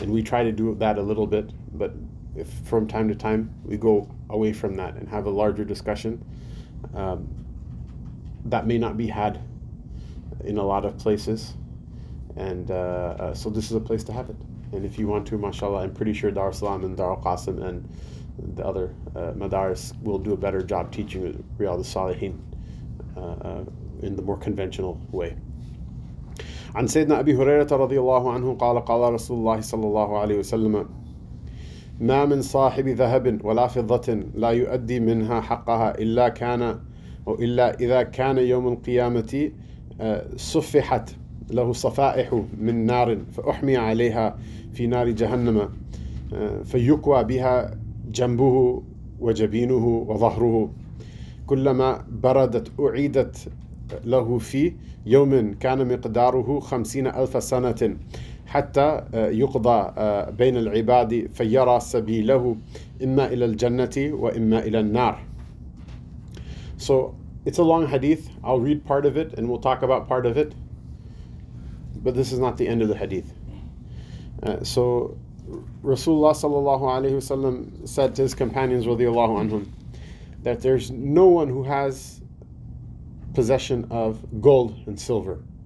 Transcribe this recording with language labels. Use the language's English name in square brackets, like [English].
[English] And we try to do that a little bit, but if from time to time we go away from that and have a larger discussion, that may not be had in a lot of places, and so this is a place to have it. And if you want to, mashallah, I'm pretty sure Dar Salaam and Dar al-Qasim and the other madaris will do a better job teaching Riyad al-Salihin in the more conventional way. [Arabic] An Sayyidina Abi Hurairah radiallahu anhu qala Rasulullah sallallahu alayhi wa sallam, ما من صاحب ذهب ولا فضة لا يؤدي منها حقها إلا كان أو إلا إذا كان يوم القيامة صفحت له صفائح من نار فأحمي عليها في نار جهنم فيكوى بها جنبه وجبينه وظهره كلما بردت أعيدت له في يوم كان مقداره 50,000 سنة حتى يقضى بين العباد فيرى سبيله إما إلى الجنة وإما إلى النار. [English] So it's a long hadith. I'll read part of it and we'll talk about part of it. But this is not the end of the hadith. So Rasulullah sallallahu alayhi wa sallam said to his companions radiallahu anhum that there's no one who has possession of gold and silver.